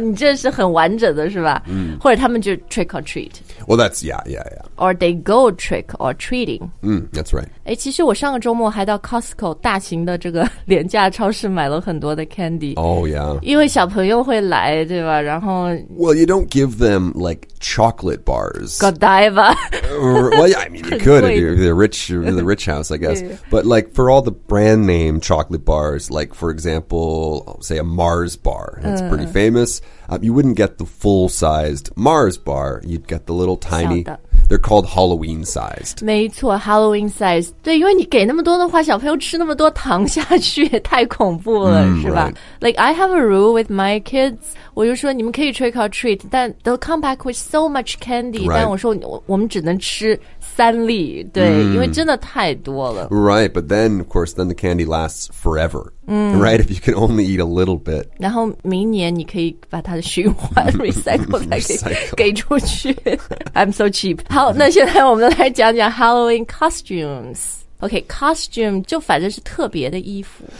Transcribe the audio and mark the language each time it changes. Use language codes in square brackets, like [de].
[zh] 、你这是很完整的是吧、或者他们就 [en] trick or treat Well that's yeah Or they go trick or treating、 That's right [zh] 其实我上个周末还到 Costco 大型的这个廉价超市买了很多的 candy. [en] Oh, yeah. [zh] 因为小朋友会来对吧然后 [en] Well, you don't give them like chocolate bars. Godiva. Well, yeah, I mean, you could if you're the rich house, I guess. But like for all the brand name chocolate bars, like for example, say a Mars bar, that's pretty famous. You wouldn't get the full sized Mars bar. You'd get the little tiny. They're called Halloween sized. [zh] 没错 [en] ，Halloween sized. [zh] 对，因为你给那么多的话，小朋友吃那么多糖下去太恐怖了， mm, 是吧、 [en] right. ？Like I have a rule with my kids. [zh] 我就说你们可以 [en] trick or treat, 但 they'll come back with so much candy.、 Right. [zh] 但我说我们只能吃三粒，对， mm. 因为真的太多了。 [en] Right, but then of course, then the candy lasts forever.、 Mm. Right, if you can only eat a little bit. [zh] 然后明年你可以把它的循环 recycle 再给出去。 [en] I'm so cheap. [zh] 好，那现在我们来讲讲 Halloween costumes. Okay, costume 就反正是特别的衣服。